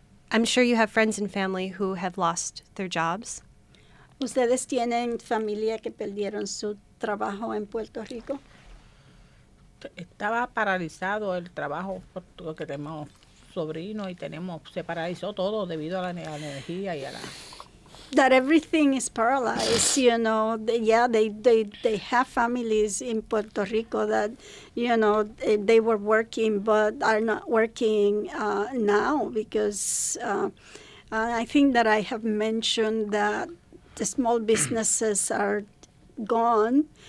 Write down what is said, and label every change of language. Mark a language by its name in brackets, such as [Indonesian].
[English] I'm sure you have friends and family who have lost their jobs. [Spanish] ¿Ustedes tienen familia que perdieron su trabajo en Puerto Rico? Estaba paralizado el trabajo por todo que tenemos. Sobrino y tenemos, se paralizó todo debido a la energía y a la... [English] That everything is paralyzed, you know. They have families in Puerto Rico that, you know, they were working but are not working now because I think that I have mentioned that the small businesses are gone.